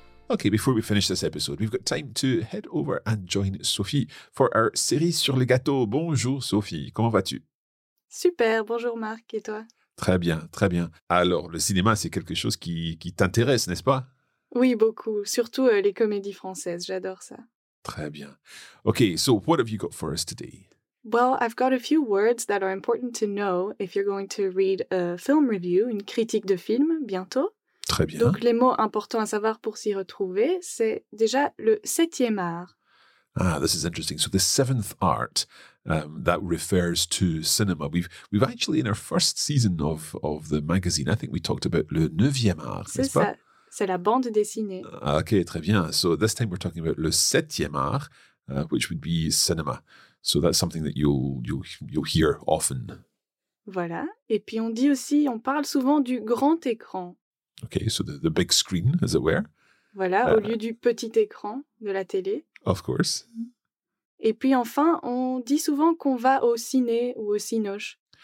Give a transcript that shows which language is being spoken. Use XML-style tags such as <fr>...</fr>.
<en>Okay, before we finish this episode, we've got time to head over and join Sophie for our series</en> <fr>sur les gâteaux. Bonjour Sophie, comment vas-tu? Super, bonjour Marc, et toi? Très bien, très bien. Alors, le cinéma, c'est quelque chose qui t'intéresse, n'est-ce pas? Oui, beaucoup. Surtout les comédies françaises, j'adore ça. Très bien.</fr> <en>Okay, so what have you got for us today? Well, I've got a few words that are important to know if you're going to read a film review,</en> <fr>une critique de film,</fr> <en>bientôt.</en> <fr>Très bien. Donc, les mots importants à savoir pour s'y retrouver, c'est déjà le septième art.</fr> <en>Ah, this is interesting. So the seventh art, that refers to cinema. We've actually, in our first season of the magazine, I think we talked about</en> <fr>le neuvième art, c'est n'est-ce ça. Pas? C'est la bande dessinée. Ok, très bien.</fr> <en>So this time we're talking about</en> <fr>le septième art,</fr> <en>which would be cinema. So that's something that you'll hear often.</en> <fr>Voilà. Et puis on dit aussi, on parle souvent du grand écran.</fr> <en>Ok, so the big screen, as it were.</en> <fr>Voilà, au lieu du petit écran de la télé.</fr> <en>Of course.</en> <fr>Et puis enfin, on dit souvent qu'on va au ciné ou au cinoche.</fr>